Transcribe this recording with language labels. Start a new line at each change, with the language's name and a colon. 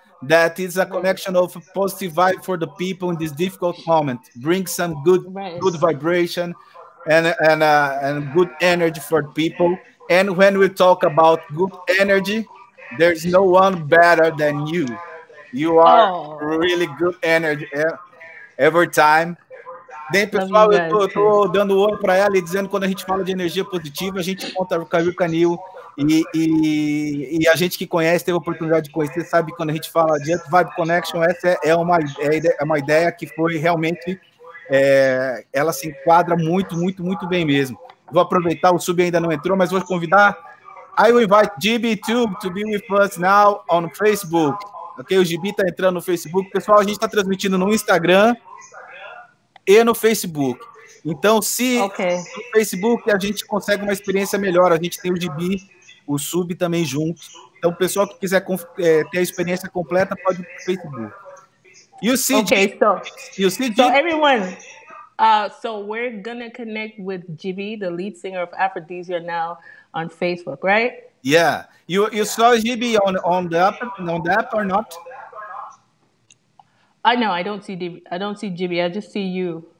English: That is a connection of a positive vibe for the people in this difficult moment. Bring some good vibration and good energy for people. And when we talk about good energy, there's no one better than you. You are really good energy every time.
Portuguese: Bem, pessoal, eu tô dando oi para ela e dizendo quando a gente fala de energia positiva, a gente conta com a Rica Newell e a gente que conhece, teve a oportunidade de conhecer, sabe quando a gente fala de Vibe Connection, essa é uma ideia que foi realmente, ela se enquadra muito, muito, muito bem mesmo. Vou aproveitar, o Sub ainda não entrou, mas vou convidar,
English: I will invite GB to be with us now on Facebook, ok?
Portuguese: O GB tá entrando no Facebook, pessoal, a gente tá transmitindo no Instagram, e no Facebook. Então, se no Facebook a gente consegue uma experiência melhor, a gente tem o GB, o Sub também juntos. Então, o pessoal que quiser ter a experiência completa, pode ir para o Facebook. E o Cid. Ok, então. E o Cid. Então, everyone.
English: So, we're going to connect with GB, the lead singer of Afrodizia, now on Facebook, right? Yeah. You saw GB on the app or not? I know, I don't see GB, I just see you.